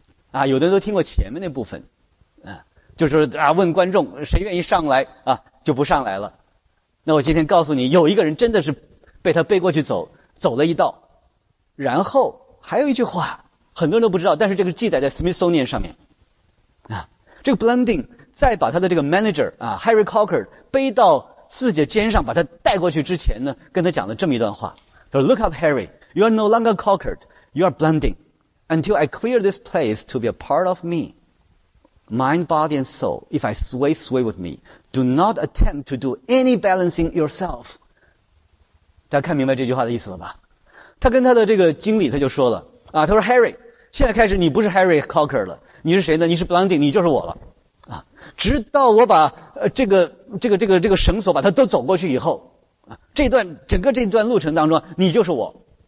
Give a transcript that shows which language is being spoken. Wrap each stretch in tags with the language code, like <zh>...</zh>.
<zh>啊，有的都听过前面那部分，啊，就是啊，问观众谁愿意上来啊，就不上来了。那我今天告诉你，有一个人真的是被他背过去走，走了一道，然后还有一句话，很多人都不知道，但是这个记载在 Smithsonian 上面，啊，这个 Blunding 再把他的这个 manager 啊 Harry Cocker 背到自己的肩上，把他带过去之前呢，跟他讲了这么一段话，说</zh> <en>Look up, Harry, you are no longer Cocker, you are Blunding. Until I clear this place to be a part of me, mind, body, and soul, if I sway, sway with me. Do not attempt to do any balancing yourself.</en> <zh>大家看明白这句话的意思了吧？他跟他的这个经理他就说了啊，他说 Harry, 现在开始你不是 Harry Cocker 了，你是谁呢？你是 Blunding, 你就是我了啊！直到我把这个绳索把它都走过去以后啊，这段整个这段路程当中，你就是我。</zh>